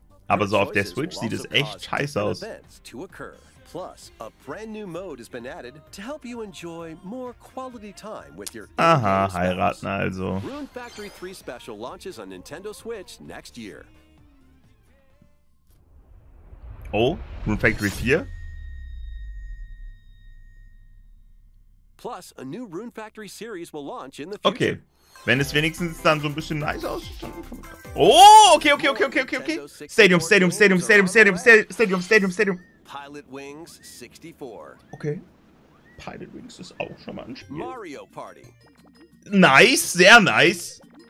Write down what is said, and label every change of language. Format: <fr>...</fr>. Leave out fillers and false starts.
<de>Aber so auf der Switch sieht es echt scheiße aus.</de> <en>Plus, a brand new mode has been added to help you enjoy more quality time with your.</en> <de>Aha, heiraten also.</de> <en>Rune Factory 3 Special launches on Nintendo Switch next year. Oh, Rune Factory 4? Plus, a new Rune Factory series will launch in the future. Okay.</en> <de>Wenn es wenigstens dann so ein bisschen nice aussieht.</de> <en>Oh, okay. Stadium. Pilot Wings 64. Okay.</en> <de>Pilot Wings ist auch schon mal ein Spiel. Mario Party. Nice, sehr nice.</de>